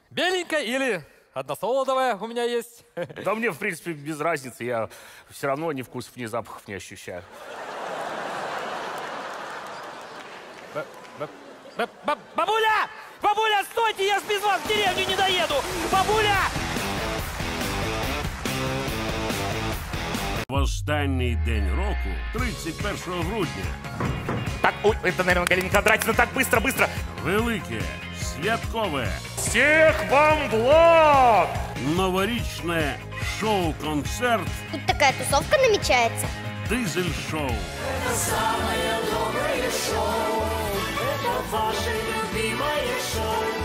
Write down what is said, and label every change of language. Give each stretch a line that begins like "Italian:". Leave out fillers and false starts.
Russian: Беленькая или односолодовая у меня есть? Да мне, в принципе, без разницы. Я все равно ни вкусов, ни запахов не ощущаю. Бабуля! Бабуля, стойте! Я ж без вас в деревню не доеду! Бабуля!
Ukrainian: В останній день року, 31 грудня.
Russian: Так, ой, это, наверное, Галина Кондратьевна, так, быстро, быстро.
Ukrainian: Велике, святкове.
Russian: Всех вам благ!
Ukrainian: Новорічне шоу-концерт.
Russian: Тут такая тусовка намечается. Дизель-шоу. Это самое доброе шоу. Это ваше любимое шоу.